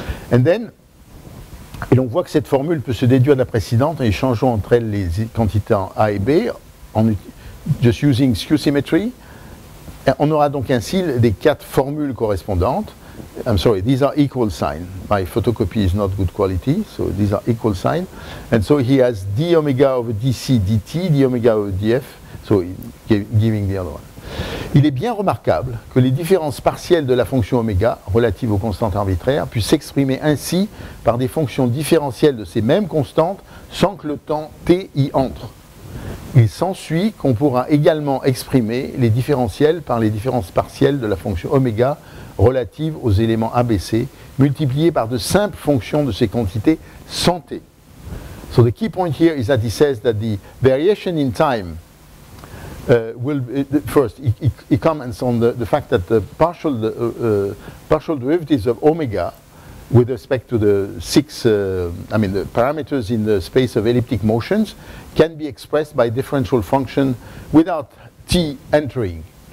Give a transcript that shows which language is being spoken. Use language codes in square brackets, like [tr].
[en] And then, [fr] et on voit que cette formule peut se déduire de la précédente en échangeant entre elles les quantités A et B, en [en] just using skew symmetry. [fr] On aura donc ainsi les quatre formules correspondantes. [en] I'm sorry, these are equal sign. My photocopy is not good quality, so these are equal sign. And so he has d omega over dc dt, d omega over df, so giving the other one. [fr] Il est bien remarquable que les différences partielles de la fonction oméga, relatives aux constantes arbitraires, puissent s'exprimer ainsi par des fonctions différentielles de ces mêmes constantes sans que le temps t y entre. Il s'ensuit qu'on pourra également exprimer les différentielles par les différences partielles de la fonction oméga relatives aux éléments ABC, multipliées par de simples fonctions de ces quantités sans t. [en] So the key point here is that he says that the variation in time will first it comments on the fact that the partial partial derivatives of omega with respect to the six the parameters in the space of elliptic motions can be expressed by differential function without t entering,